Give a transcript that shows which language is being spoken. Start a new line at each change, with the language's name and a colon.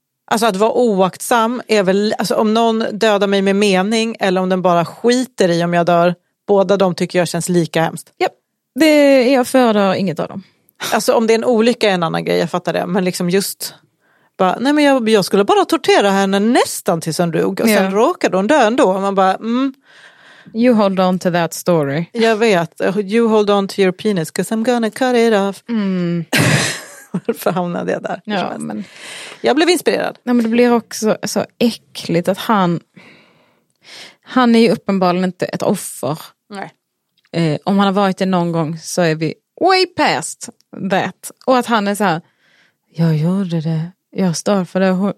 Swedish: Alltså att vara oaktsam är väl, alltså om någon dödar mig med mening eller om den bara skiter i om jag dör, båda de tycker jag känns lika hemskt.
English: Yep.
Swedish: Det är jag för, då, inget av dem. Alltså om det är en olycka är en annan grej, jag fattar det, men liksom just bara, nej men jag skulle bara tortera henne nästan tills hon dog och sen råkade hon dö ändå, och man bara,
English: you hold on to that story.
Swedish: Jag vet.
English: You hold on to your penis because I'm gonna cut it off.
Swedish: Varför hamnade jag där? Ja, men jag blev inspirerad. Nej, men det blir också så äckligt att han är ju uppenbarligen inte ett offer. Nej. Om han har varit det någon gång så är vi
English: way past that.
Swedish: Och att han är så här, jag gjorde det. Jag står för det.